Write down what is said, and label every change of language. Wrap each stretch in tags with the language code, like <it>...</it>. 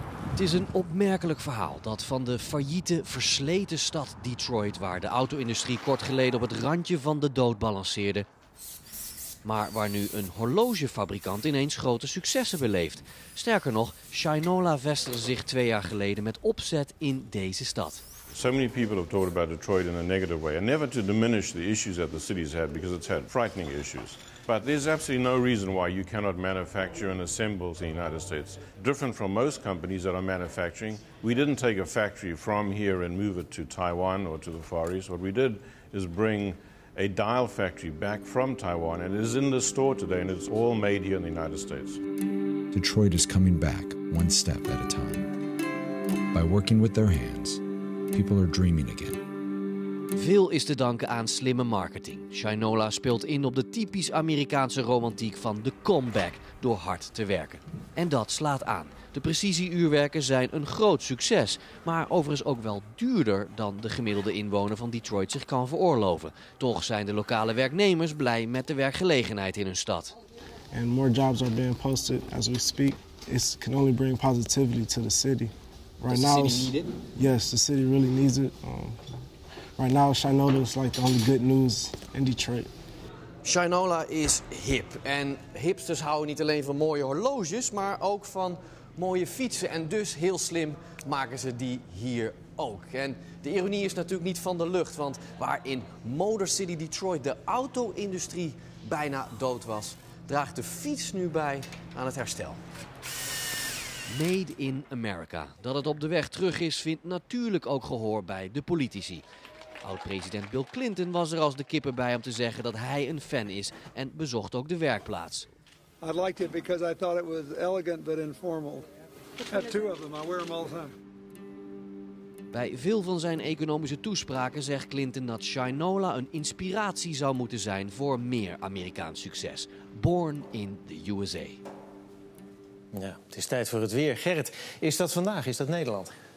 <nl>Het is een opmerkelijk verhaal dat van de failliete, versleten stad Detroit, waar de auto-industrie kort geleden op het randje van de dood balanceerde, maar waar nu een horlogefabrikant ineens grote successen beleeft. Sterker nog, Shinola vestigde zich 2 jaar geleden met opzet in deze stad.</nl> <en>So many people have talked about Detroit in a negative way, and never to diminish the issues that the city has had, because it's had frightening issues. But there's absolutely no reason why you cannot manufacture and assemble in the United States. Different from most companies that are manufacturing, we didn't take a factory from here and move it to Taiwan or to the Far East. What we did is bring a dial factory back from Taiwan, and it is in the store today, and it's all made here in the United States. Detroit is coming back one step at a time. By working with their hands, people are dreaming again.</en> <nl>Veel is te danken aan slimme marketing. Shinola speelt in op de typisch Amerikaanse romantiek van de comeback door hard te werken. En dat slaat aan. De precisieuurwerken zijn een groot succes, maar overigens ook wel duurder dan de gemiddelde inwoner van Detroit zich kan veroorloven. Toch zijn de lokale werknemers blij met de werkgelegenheid in hun stad.</nl> <en>And more jobs are being posted as we speak. It can only bring positivity to the city. Right now, does the city need it? Yes, the city really needs it. Right now, Shinola is like the only good news in Detroit. Shinola is hip.</en> <nl>En hipsters houden niet alleen van mooie horloges, maar ook van mooie fietsen. En dus, heel slim, maken ze die hier ook. En de ironie is natuurlijk niet van de lucht, want waar in Motor City Detroit de auto-industrie bijna dood was, draagt de fiets nu bij aan het herstel.</nl> <en>Made in America.</en> <nl>Dat het op de weg terug is, vindt natuurlijk ook gehoor bij de politici. Oud-president Bill Clinton was er als de kippen bij om te zeggen dat hij een fan is en bezocht ook de werkplaats.</nl> <en>I liked it because I thought it was elegant but informal. I have 2 of them. I wear them all the time.</en> <nl>Bij veel van zijn economische toespraken zegt Clinton dat Shinola een inspiratie zou moeten zijn voor meer Amerikaans succes.</nl> <en>Born in the USA.</en> <nl>Ja, het is tijd voor het weer. Gerrit, is dat vandaag? Is dat Nederland?</nl>